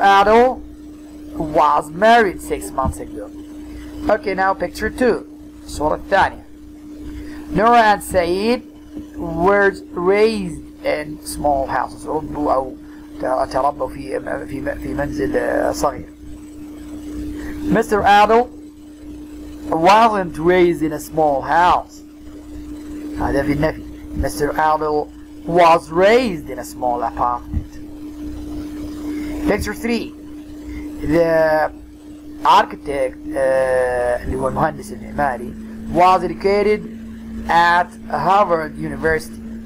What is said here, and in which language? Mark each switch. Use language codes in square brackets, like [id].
[en] Adel was married 6 months ago. Okay, now picture two. [ar] صورة الثانية. [en] Noah and Saeed were raised in small houses. [ar] ربوا أو تربوا في منزل صغير. [en] Mr. Adel wasn't raised in a small house. [ar] هذا في النفي. Mr. [en] Adel was raised in a small apartment. Picture three. The architect, [ar] اللي هو المهندس المعماري, [en] was educated at Harvard University.